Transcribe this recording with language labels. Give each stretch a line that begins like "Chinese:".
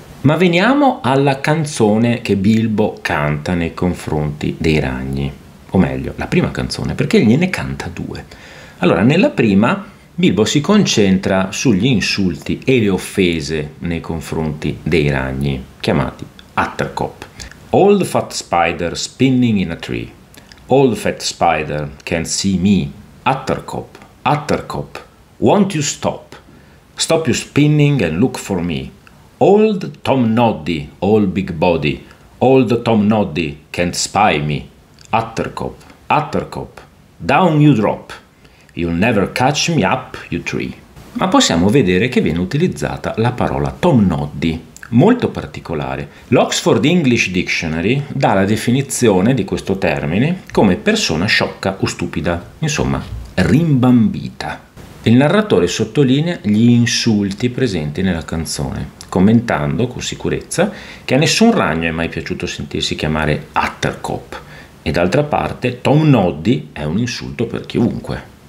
Italian: Ma veniamo alla canzone che Bilbo canta nei confronti dei ragni, o meglio, la prima canzone, perché gliene canta due. Allora, nella prima Bilbo si concentra sugli insulti e le offese nei confronti dei ragni, chiamati Atterkop.
English: Old fat spider spinning in a tree. Old fat spider can see me. Atterkop, Atterkop, won't you stop? Stop your spinning and look for me. Old Tom Noddy, old big body. Old Tom Noddy can't spy me. Atterkop, Atterkop, down you drop. You'll never catch me up, you tree.
Italian: Ma possiamo vedere che viene utilizzata la parola Tom Noddy. Molto particolare. L'Oxford English Dictionary dà la definizione di questo termine come persona sciocca o stupida, insomma, rimbambita. Il narratore sottolinea gli insulti presenti nella canzone, commentando con sicurezza che a nessun ragno è mai piaciuto sentirsi chiamare Atterkop e d'altra parte Tom Noddy è un insulto per chiunque.